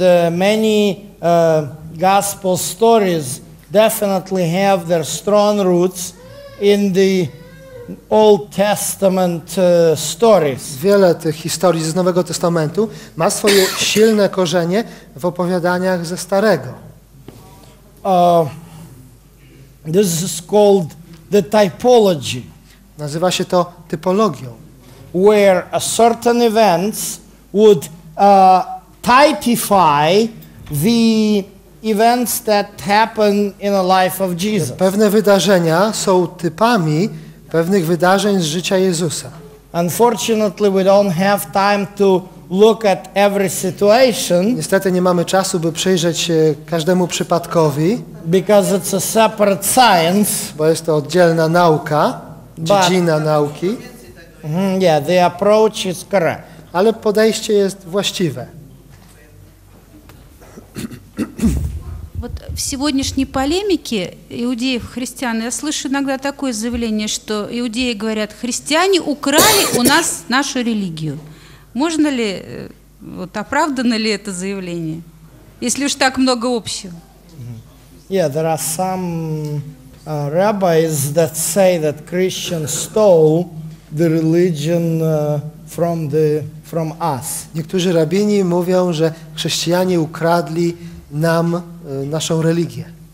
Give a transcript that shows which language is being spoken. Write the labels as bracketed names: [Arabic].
[English] Many gospel stories definitely have their strong roots in the Old Testament stories. [Polish] Wiele tych historii z Nowego Testamentu ma swoje silne korzenie w opowiadaniach ze Starego. [English] This is called the typology. [Polish] Nazywa się to typologią. [English] Where a certain events would typify the events that happen in the life of Jesus. [Polish] Pewne wydarzenia są typami pewnych wydarzeń z życia Jezusa. [English] Unfortunately, we don't have time to look at every situation. [Polish] Niestety nie mamy czasu, by przyjrzeć się każdemu przypadkowi. [English] Because it's a separate science. [Polish] Bo jest to oddzielna nauka, dziedzina nauki. [English] Yeah, the approach is correct. [Polish] Ale podejście jest właściwe. [Russian] Вот в сегодняшней полемике иудеев-христиан я слышу иногда такое заявление, что иудеи говорят, христиане украли у нас нашу религию. Можно ли, вот оправдано ли это заявление, если уж так много общего? [English] Yeah, there are some rabbis that say that Christians stole the religion from us. [Polish] Niektórzy rabini mówią, że chrześcijanie ukradli nam naszą religię.